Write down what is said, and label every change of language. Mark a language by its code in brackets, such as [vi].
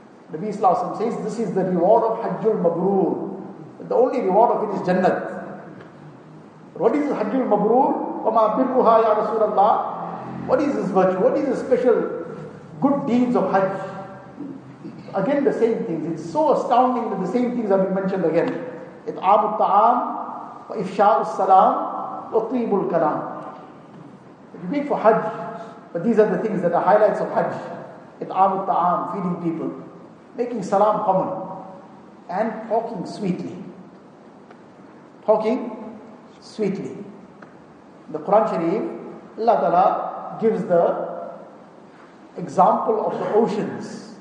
[en] Nabi Sallallahu Alaihi Wasallam says, this is the reward of Hajjul Mabrur. The only reward of it is Jannat. What is Hajjul Mabrur? [ar] وَمَا بِرُّهَا يَا رَسُولَ اللَّهِ. [en] What is this virtue? What is the special good deeds of Hajj? Again the same things. It's so astounding that the same things have been mentioned again. [ar] إطعام الطعام وإفشاء السلام وطيب الكلام. [en] You wait for Hajj, but these are the things that are highlights of Hajj. [ar] إطعام الطعام, [en] feeding people, making salam common, and talking sweetly. Talking sweetly. The Quran Sharif, Allah Ta'ala gives the example of the oceans.